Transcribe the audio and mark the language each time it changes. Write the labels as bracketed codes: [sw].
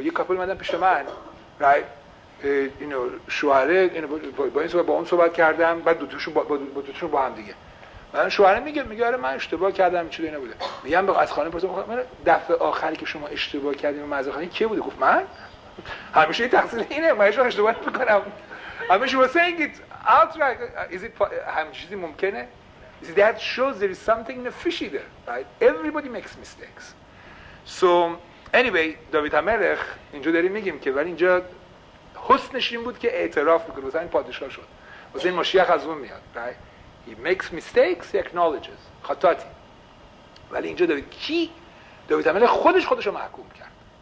[fa] یک کپل مدن پیش من right شوهره با این صحبت با اون صحبت کردم، بعد دوتوشون با هم دیگه من شوهرم میگه آره من اشتباه کردم چیزی نبوده. میگم از خانم پرسیدم خانم دفعه آخری که شما اشتباه کردین و معذرت خواستین کی بوده؟ گفت من همیشه تقصیر اینه، من اشتباه میکنم. [en] I mean, she was saying it outright. Is it [fa] ممکنه? [en] Is it, that shows there is something fishy there, right? Everybody makes mistakes. So anyway, [fa] David HaMelech, اینجا داریم میگیم که ولی اینجا حسنش این بود که اعتراف میکنه و این پادشاه شد. و این مشیخ از اون میاد. Right? [en] He makes mistakes, he acknowledges. [fa] خطاتی. ولی اینجا داوید کی؟ داوید HaMelech خودش رو محکوم کرد.